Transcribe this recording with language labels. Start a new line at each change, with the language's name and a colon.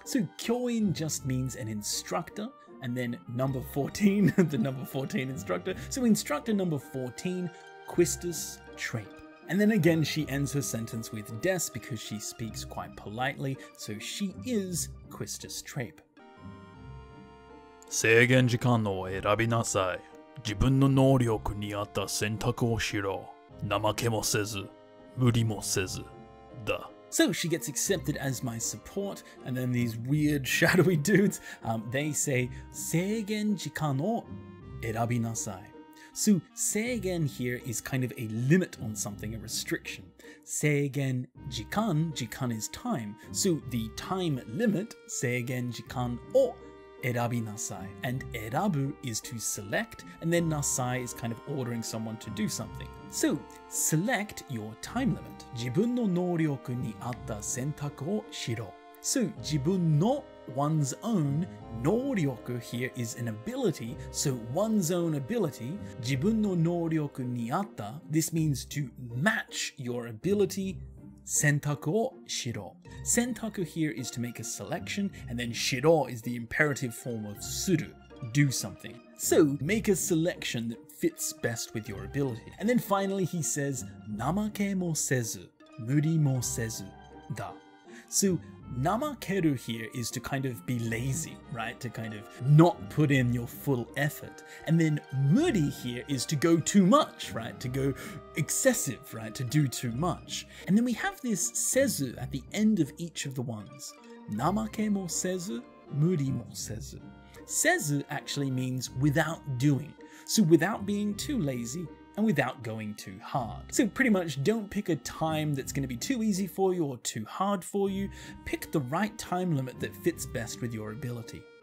English: So Kyouin just means an instructor, and then number 14, the number 14 instructor. So instructor number 14, Kistisu Trippu. And then again, she ends her sentence with des because she speaks quite politely. So she is Kistisu Trippu.
Japanese: 制限時間を選びなさい。自分の能力に合った選択をしろ。怠けもせず、無理もせずだ。
English: So she gets accepted as my support, and then these weird shadowy dudes, they say,
Japanese: 制限時間を選びなさい。
English: So 制限 here is kind of a limit on something, a restriction. 制限時間、時間 is time. So the time limit,
Japanese: 制限時間を選びなさい.
English: And 選ぶ is to select, and then なさい is kind of ordering someone to do something. So, select your time limit.
Japanese: 自分の能力に合った選択をしろ.
English: So, 自分の one's own 能力 here is an ability, so one's own ability.
Japanese: 自分の能力に合った,
English: this means to match your ability.
Japanese: 選択をしろ。
English: 選択 here is to make a selection, and then しろ is the imperative form of する, do something. So, make a selection that fits best with your ability. And then finally he says,
Japanese: 怠けもせず、無理もせずだ。
English: So, 怠ける here is to kind of be lazy, right? To kind of not put in your full effort. And then 無理 here is to go too much, right? To go excessive, right? To do too much. And then we have this せず at the end of each of the ones.
Japanese: 怠けもせず、無理もせず。
English: せず actually means without doing. So without being too lazy,and without going too hard. So pretty much don't pick a time that's going to be too easy for you or too hard for you. Pick the right time limit that fits best with your ability.